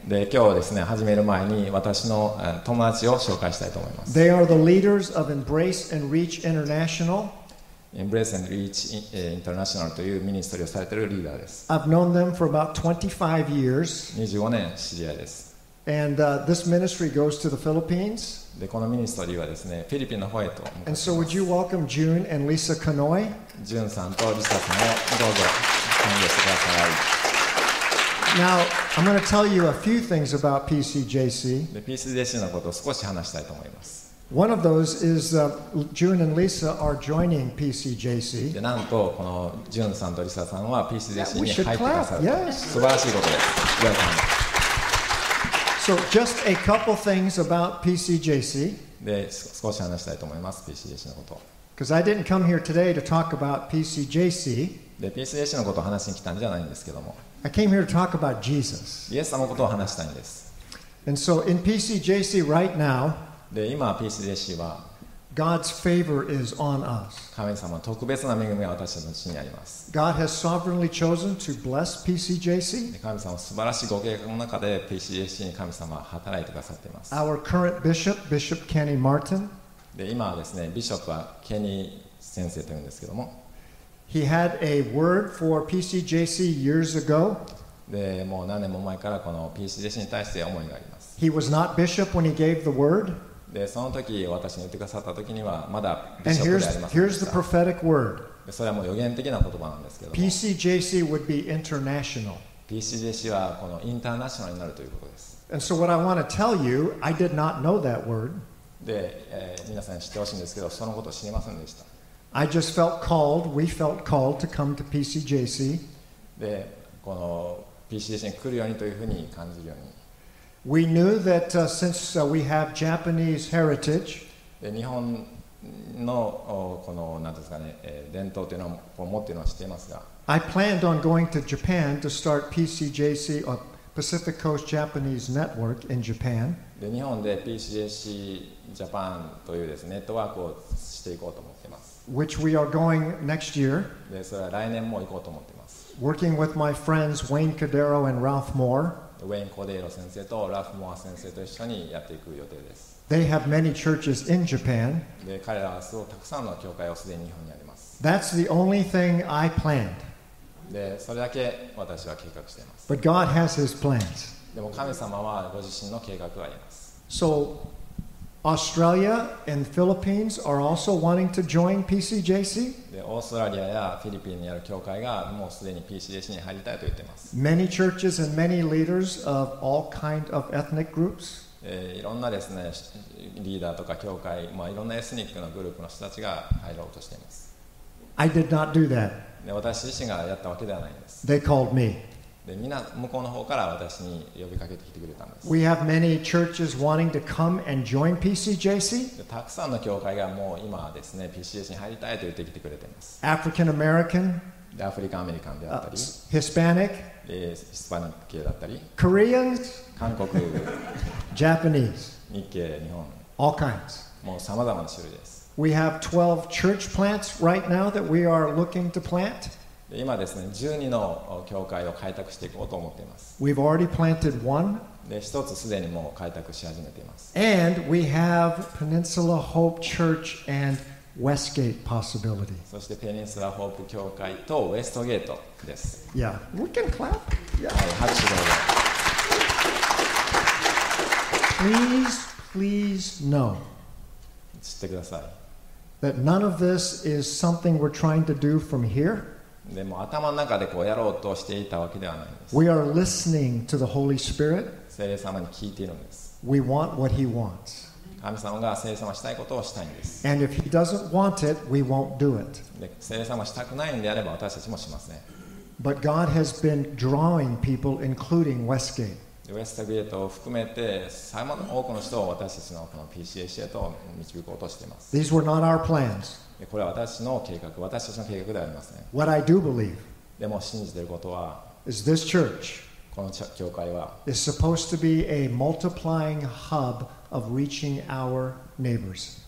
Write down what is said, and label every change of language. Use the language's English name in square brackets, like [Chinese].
[Japanese] で今日ですね、始める前に私の友達を紹介したいと思います。 [English] They are the leaders of Embrace and Reach International. [Japanese] Embrace and Reach International というミニストリーをされているリーダーです。 [English] I've known them for about 25 years. [Japanese] 25年知り合いです。 [English] And this ministry goes to the Philippines. [Japanese] でこのミニストリーはですね、フィリピンの方へと。 [English] And so would you welcome June and Lisa Kanoy? [Japanese] ジュンさんとリサさんをどうぞ。 [English] Now, I'm going to tell you a few things about PCJC. [Japanese] PCJC のことを少し話したいと思います。 [English] One of those is June and Lisa are joining PCJC. [Japanese] で、なんとこのジュンさんとリサさんは PCJC に入ってくださると。 [English] Yes. [Japanese] 素晴らしいことです。ジュンさん。 [English] So, just a couple things about PCJC. [Japanese] で、少し話したいと思います。 PCJC のこと。 [English] Because I didn't come here today to talk about PCJC. [Japanese] で、PCJC のことを話しに来たんじゃないんですけども。 [English] I came here to talk about Jesus. [Japanese] イエス様のことを話したいんです。 [English] And so in PCJC right now, [Japanese] で、今 PCJC は、 [English] God's favor is on us. [Japanese] 神様の特別な恵みが私たちのうちにあります。 [English] God has sovereignly chosen to bless PCJC. [Japanese] 神様は素晴らしいご計画の中で PCJC に神様は働いてくださっています。 [English] Our current bishop, Bishop Kenny Martin. [Japanese] で、今はですね、ビショップはケニー先生というんですけども、 [English] He had a word for PCJC years ago. [Japanese] で、もう何年も前からこの PCJC に対して思いがあります。 [English] He was not bishop when he gave the word. [Japanese] で、その時私に言ってくださった時にはまだビショップでありませんでした。 [English] And here's the prophetic word. [Japanese] それはもう予言的な言葉なんですけども。 [English] PCJC would be international. [Japanese] PCJC はこのインターナショナルになるということです。 [English] And so what I want to tell you, I did not know that word. [Japanese] で、皆さん知ってほしいんですけど、そのことを知りませんでした。 [English] I just felt called, we felt called to come to PCJC. [Japanese] で、この PCJC に来るようにというふうに感じるように。 [English] We knew that since we have Japanese heritage. [Japanese] で、日本のこの、なんですかね、伝統というのを持っているのは知っていますが。 [English] I planned on going to Japan to start PCJC, or Pacific Coast Japanese Network in Japan. [Japanese] で、日本で PCJC Japan というですね、ネットワークをしていこうと思っています。 [English] Which we are going next year. [Japanese] で、それは来年も行こうと思っています。 [English] Working with my friends Wayne Cordero and Ralph Moore. [Japanese] Wayne Cordero 先生と Ralph Moore 先生と一緒にやっていく予定です。 [English] They have many churches in Japan. [Japanese] で、彼らはすごくたくさんの教会をすでに日本にあります。 [English] That's the only thing I planned. [Japanese] で、それだけ私は計画しています。 [English] But God has His plans. [Japanese] でも神様はご自身の計画があります。 [English] So. Australia and Philippines are also wanting to join PCJC. [Japanese] で、オーストラリアやフィリピンにある教会がもうすでに PCJC に入りたいと言っています。 [English] Many churches and many leaders of all kind of ethnic groups. [Japanese] いろんなですね、リーダーとか教会、まあいろんなエスニックのグループの人たちが入ろうとしています。 [English] I did not do that. [Japanese] で、私自身がやったわけではないんです。 [English] They called me. [Japanese] で、みんな向こうの方から私に呼びかけてきてくれたんです。 [English] We have many churches wanting to come and join PCJC. [Japanese] たくさんの教会がもう今ですね、PCJC に入りたいと言ってきてくれています。 [English] African American. [Japanese] アフリカンアメリカンであったり。 [English] Hispanic. [Japanese] ヒスパニック系だったり。 [English] Koreans. [Japanese] 韓国。 [English] Japanese. [Japanese] 日系、日本。 [English] All kinds. [Japanese] もうさまざまな種類です。 [English] We have 12 church plants right now that we are looking to plant. [Japanese] 今ですね、12の教会を開拓していこうと思っています。 [English] We've already planted one. [Japanese] で、一つすでにもう開拓し始めています。 [English] And we have Peninsula Hope Church and Westgate possibility. [Japanese] そして、ペニンスラホープ教会とウェストゲートです。 [English] Yeah. We can clap. Yeah. [Japanese] 拍手でございます。 [English] please, please know [Japanese] 知ってください [English] that none of this is something we're trying to do from here. [Japanese] でも頭の中でこうやろうとしていたわけではないんです。 [English] We are listening to the Holy Spirit. [Japanese] 聖霊様に聞いているんです。 [English] We want what He wants. [Japanese] 神様が聖霊様したいことをしたいんです。 [English] And if He doesn't want it, we won't do it. [Japanese] で聖霊様したくないんであれば私たちもしません。 [English] But God has been drawing people, including Westgate. [Japanese] ウェストゲートを含めて多くの人を私たちのこの PCAC へと導こうとしています。 [English] These were not our plans. [Japanese] これは私の計画、私たちの計画ではありません。 [English] What I do believe [Japanese] でも信じていることは [English] is this church [Japanese] この教会は [English] is supposed to be a multiplying hub of reaching our neighbors.